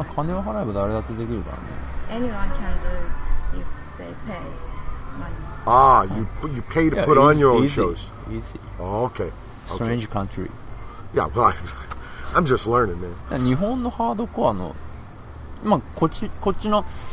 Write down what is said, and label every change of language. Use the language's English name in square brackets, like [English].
[Japanese] 日本でショーをやるとき、もう自分から行って、やりたいからやらせてくれる。あ、金を払えば誰だってできるからね。 [English] Anyone can do it if they pay money. Ah, you pay to put on your own shows. Easy. Oh, okay. Strange country. Yeah, well, I'm just learning, man. [Japanese] 日本のハードコアの、まあこっちの。